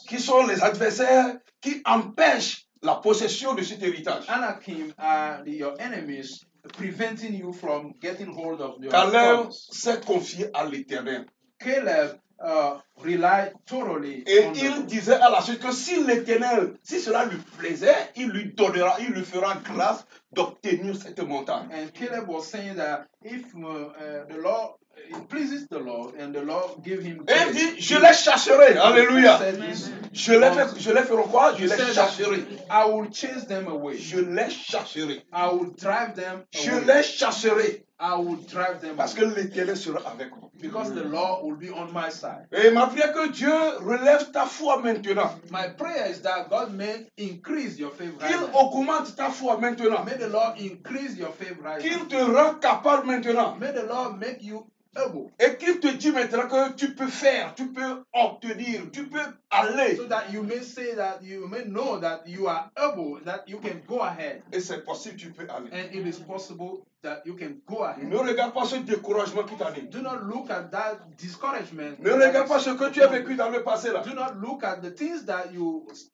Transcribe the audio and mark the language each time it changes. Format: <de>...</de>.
<fr>Qui sont les adversaires qui empêchent la possession de cet héritage.</fr> <en>Anakim are your enemies preventing you from getting hold of your promise.</en> <fr>Caleb s'est confié à l'Éternel.</fr> <en>Caleb rely totally</en> <fr>et</fr> <en>on</en> <fr>il disait à la suite que si l'Éternel, si cela lui plaisait, il lui donnera, il lui fera grâce d'obtenir cette montagne.</fr> <en>And Caleb was saying that if the Lord, it pleases the Lord, and the Lord give him grace.</en> <fr>Et il dit, je les chasserai, alléluia. Je les ferai quoi? Je les chasserai.</fr> <en>I will chase them away.</en> <fr>Je les chasserai.</fr> <en>I will drive them away.</en> <fr>Je les chasserai.</fr> <en>I will drive them</en> <fr>parce que l'Éternel sera avec moi.</fr> <en>Because the Lord will be on my side.</en> <fr>Et ma prière que Dieu relève ta foi maintenant.</fr> <en>My prayer is that God may increase your faith right</en> <fr>Qu'il augmente ta foi maintenant.</fr> <en>May the Lord increase your faith right</en> <fr>Qu'il te rend capable maintenant.</fr> <en>May the Lord make you able.</en> <fr>Et qu'il te dit maintenant que tu peux faire, tu peux obtenir, tu peux aller.</fr> <en>So that you may say that you may know that you are able, that you can go ahead.</en> <fr>Et c'est possible, tu peux aller.</fr> <en>And it is possible. That you can go ahead.</en> <fr>Ne regarde pas ce découragement qui t'arrive.</fr> <en>Do not look at that discouragement.</en> <fr>Ne regarde pas ce que tu as vécu dans le passé là.</fr> <en>Do not look at the things that you</en>